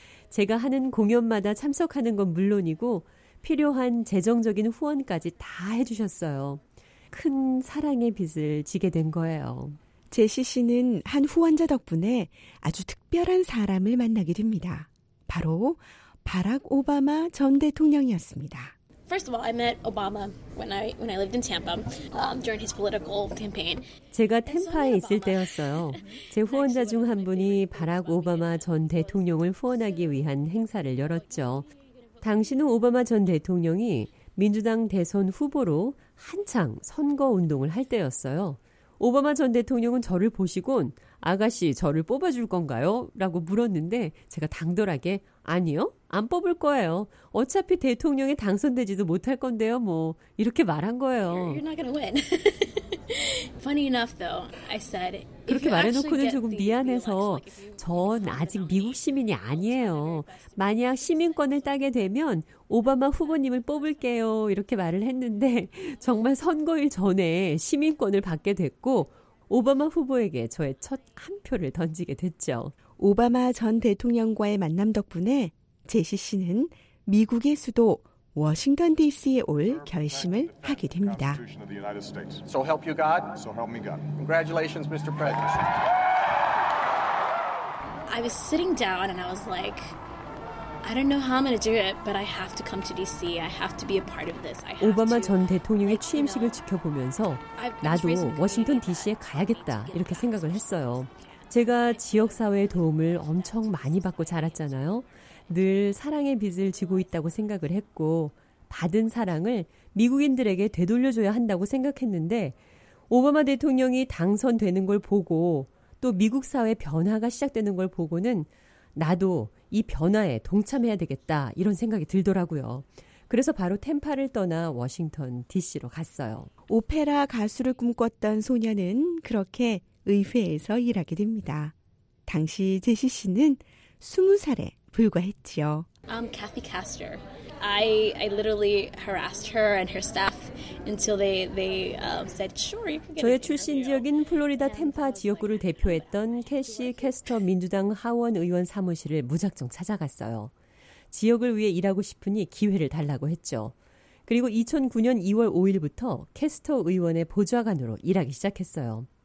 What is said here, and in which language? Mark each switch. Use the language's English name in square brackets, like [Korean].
[Korean] 제가 하는 공연마다 참석하는 건 물론이고 필요한 재정적인 후원까지 다 해주셨어요. 큰 사랑의 빚을 지게 된 거예요. 제시 씨는 한 후원자 덕분에 아주 특별한 사람을 만나게 됩니다. 바로 바락 오바마 전 대통령이었습니다. [English] First of all, I met Obama when I lived in Tampa during his political campaign. [Korean] 제가 템파에 있을 때였어요. 제 후원자 중 한 분이 바락 오바마 전 대통령을 후원하기 위한 행사를 열었죠. 당시는 오바마 전 대통령이 민주당 대선 후보로 한창 선거 운동을 할 때였어요. 오바마 전 대통령은 저를 보시곤 아가씨 저를 뽑아줄 건가요? 라고 물었는데 제가 당돌하게 아니요 안 뽑을 거예요. 어차피 대통령에 당선되지도 못할 건데요. 뭐 이렇게 말한 거예요. [English] You're not gonna win. Funny enough though, I said. [Korean] 그렇게 말해놓고는 조금 미안해서 전 아직 미국 시민이 아니에요. 만약 시민권을 따게 되면 오바마 후보님을 뽑을게요. 이렇게 말을 했는데 정말 선거일 전에 시민권을 받게 됐고 오바마 후보에게 저의 첫 한 표를 던지게 됐죠. 오바마 전 대통령과의 만남 덕분에 제시 씨는 미국의 수도 워싱턴 DC에 올 결심을 하게 됩니다. [English] So help you God. So help me God. Congratulations, Mr. President. I was sitting down and I was like, I don't know how I'm going to do it, but I have to come to DC. I have to be a part of this. [Korean] 오바마 전 대통령의 취임식을 지켜보면서 나도 워싱턴 DC에 가야겠다 이렇게 생각을 했어요. 제가 지역사회의 도움을 엄청 많이 받고 자랐잖아요. 늘 사랑의 빚을 지고 있다고 생각을 했고 받은 사랑을 미국인들에게 되돌려줘야 한다고 생각했는데 오바마 대통령이 당선되는 걸 보고 또 미국 사회 변화가 시작되는 걸 보고는 나도 이 변화에 동참해야 되겠다 이런 생각이 들더라고요. 그래서 바로 템파를 떠나 워싱턴 DC로 갔어요. 오페라 가수를 꿈꿨던 소녀는 그렇게 의회에서 일하게 됩니다. 당시 제시 씨는 20살에 불과했지요. [English] Kathy Castor. I literally harassed her and her staff until they said sure. You can get [Korean] 저의 출신 지역인 플로리다 템파 지역구를 대표했던 캐시 캐스터 민주당 하원 의원 사무실을 무작정 찾아갔어요. 지역을 위해 일하고 싶으니 기회를 달라고 했죠. 그리고 2009년 2월 5일부터 캐스터 의원의 보좌관으로 일하기 시작했어요.